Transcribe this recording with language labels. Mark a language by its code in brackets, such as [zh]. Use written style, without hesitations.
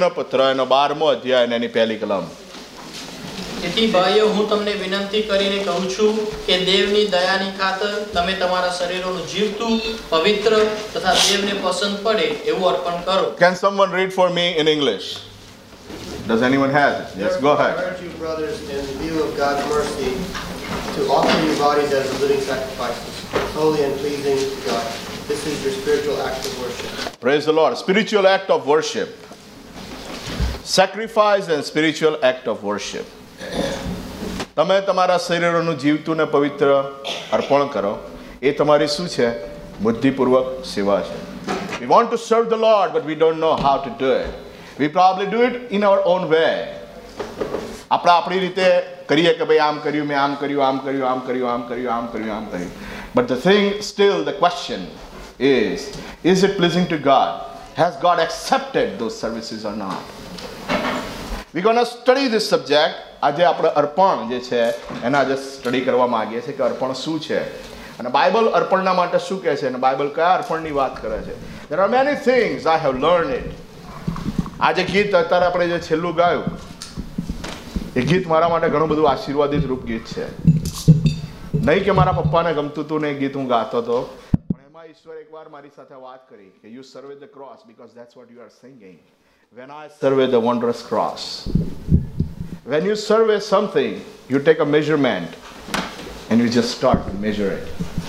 [gu] રોમિયોના પત્ર એનો બારમો અધ્યાય એની પહેલી કલમ. તેથી ભાઈઓ, હું તમને વિનંતી કરીને કહું છું કે દેવની દયાની ખાતર તમે તમારા શરીરોનું જીવતું, પવિત્ર તથા દેવને પસંદ પડે એવું અર્પણ કરો. [en] Can someone read for me in English? Does anyone have it? Yes, go ahead. I urge you, brothers, in view of God's mercy, to offer your bodies as a living sacrifice, holy and pleasing to God. This is your spiritual act of worship. Praise the Lord. Spiritual act of worship. Sacrifice and spiritual act of worship. [gu] તમે તમારા શરીરોનું જીવતુંને પવિત્ર અર્પણ કરો, એ તમારી શું છે? બુદ્ધિપૂર્વક સેવા છે. [en] We want to serve the Lord, but we don't know how to do it. We probably do it in our own way. [gu] આપણે આપણી રીતે કરીએ કે ભાઈ આમ કર્યું, મેં આમ કર્યું, આમ કર્યું, આમ કર્યું, આમ કર્યું, આમ કર્યું, આમ કર્યું. [en] But the thing still, the question is it pleasing to God? Has God accepted those services or not? We gonna study this subject. [gu] આજે આપણે અર્પણ જે છે એના આજે સ્ટડી કરવા માંગીએ છીએ કે અર્પણ શું છે અને બાઇબલ અર્પણના માટે શું કહે છે અને બાઇબલ કયા અર્પણની વાત કરે છે. [en] There are many things I have learned it. [gu] આજે ગીત અત્યારે આપણે જે છેલ્લું ગાયું એ ગીત મારા માટે ઘણું બધું આશીર્વાદિત રૂપ ગીત છે. નહીં કે મારા પપ્પાને ગમતું હતું ને એ ગીત હું ગાતો હતો, પણ એમાં ઈશ્વર એકવાર મારી સાથે વાત કરી કે [en] You survey the cross because that's what you are singing. When I survey the wondrous cross, when you survey something, you take a measurement and you just start to measure it.